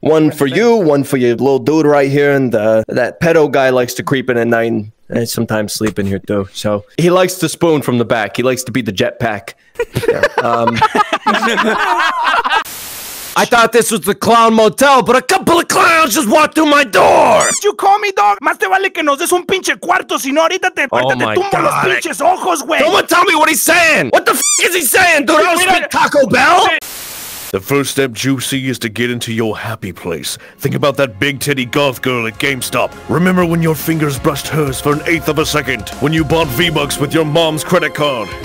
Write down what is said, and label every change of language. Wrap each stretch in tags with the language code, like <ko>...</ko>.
<en>One for you, one for your little dude right here, and that pedo guy likes to creep in at night and sometimes sleep in here too. So he likes to spoon from the back. He likes to be the jetpack. I thought this was the clown motel, but a couple of clowns just walked through my door! Did you call me, dog?</en> <es>Más te vale que nos des un pinche cuarto, sino ahorita te tumbo los pinches ojos, güey!</es> <en>Don't tell me what he's saying! What the f*** is he saying, dude? I don't speak Taco Bell! The first step, Juicy, is to get into your happy place. Think about that big titty goth girl at GameStop. Remember when your fingers brushed hers for an eighth of a second? When you bought V-Bucks with your mom's credit card?</en>